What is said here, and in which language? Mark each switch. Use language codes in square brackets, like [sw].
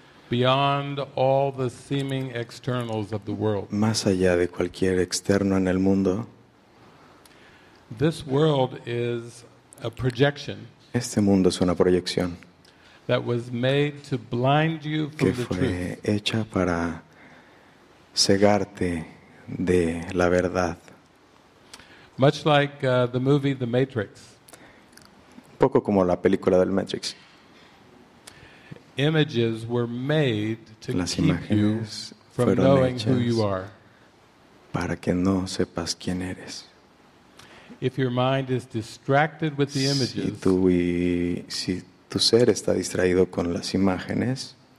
[en] Beyond all the seeming externals of the world. [es] Más allá de cualquier externo en el mundo. [en] This world is a projection. [es] Este mundo es una proyección. [en] That was made to blind you from the truth. [es] Que fue hecha para cegarte de la verdad. [en] Much like the movie The Matrix. [es] Poco como la película del Matrix. [en] Images were made to [es] las [en] keep you from knowing who you are. [es] Para que no sepas quién eres. [en] If your mind is distracted with the images. [es] Si tu ser está distraído con las imágenes.